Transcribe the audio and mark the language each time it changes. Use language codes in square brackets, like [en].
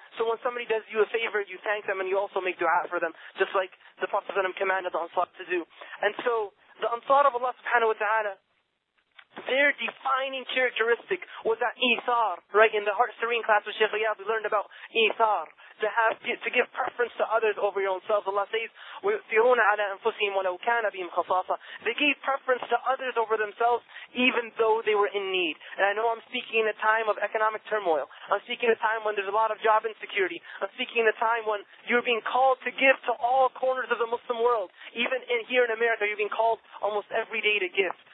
[en] So when somebody does you a favor, you thank them and you also make dua for them, just like the Prophet ﷺ commanded the Ansar to do. And so the Ansar of Allah subhanahu wa ta'ala, their defining characteristic was that Ithar, right? In the Heart Serene class with Shaykh Riyadh, we learned about Ithar, to give preference to others over your own selves. Allah says, [ar] وَيُؤْثِرُونَ عَلَىٰ أَنفُسِهِمْ وَلَوْ كَانَ بِهِمْ خَصَاصَةً. [en] They gave preference to others over themselves, even though they were in need. And I know I'm speaking in a time of economic turmoil. I'm speaking in a time when there's a lot of job insecurity. I'm speaking in a time when you're being called to give to all corners of the Muslim world. Even in here in America, you're being called almost every day to give.